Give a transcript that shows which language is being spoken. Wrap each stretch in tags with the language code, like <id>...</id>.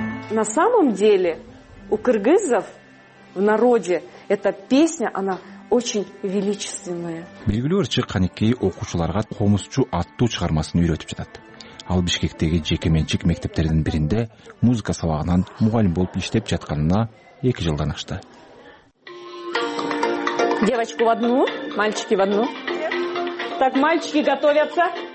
<ru>На самом деле у кыргызов в народе эта песня, она очень величественная.</ru> <ky>Белгилүү ырчы Каникей окуучуларга Комузчу аттуу чыгармасын үйрөтүп жатат. Ал Бишкектеги жекеменчик мектептердин биринде музыка сабагынан мугалим болуп иштеп жатканына 2 жылдан ашты.</ky> <ru>Девочку в одну, мальчики в одну. Так, мальчики готовятся.</ru>